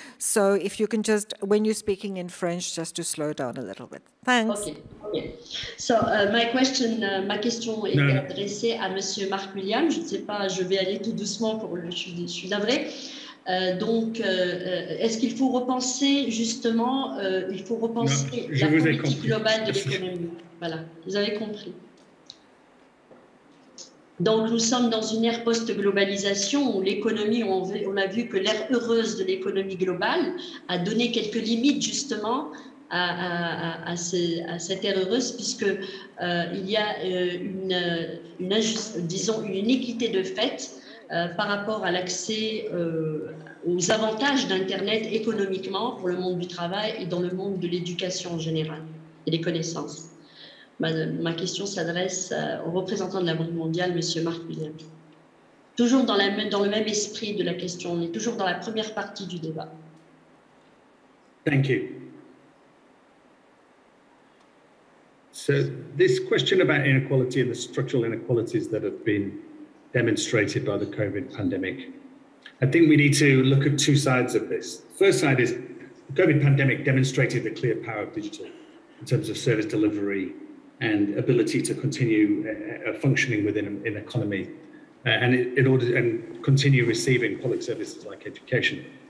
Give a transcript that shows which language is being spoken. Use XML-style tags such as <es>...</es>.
<en>So if you can just, when you're speaking in French, just to slow down a little bit. Thanks. Okay.</en> <fr>So ma question est adressée à Monsieur Mark Williams. Je ne sais pas, je vais aller tout doucement pour le je suis la vraie. Est-ce qu'il faut repenser justement, il faut repenser la politique globale de l'économie. Voilà, vous avez compris. Donc nous sommes dans une ère post-globalisation où l'économie, on a vu que l'ère heureuse de l'économie globale a donné quelques limites justement à cette ère heureuse puisque il y a une iniquité de fait. Par rapport à l'accès aux avantages d'Internet économiquement pour le monde du travail et dans le monde de l'éducation en général et des connaissances. Ma question s'adresse au représentant de la Banque mondiale, M. Mark Williams. Toujours dans le même esprit de la question, on est toujours dans la première partie du débat.</fr> <en>Thank you. So this question about inequality and the structural inequalities that have been demonstrated by the COVID pandemic. I think we need to look at two sides of this. First side is the COVID pandemic demonstrated the clear power of digital in terms of service delivery and ability to continue functioning within an economy and continue receiving public services like education.</en>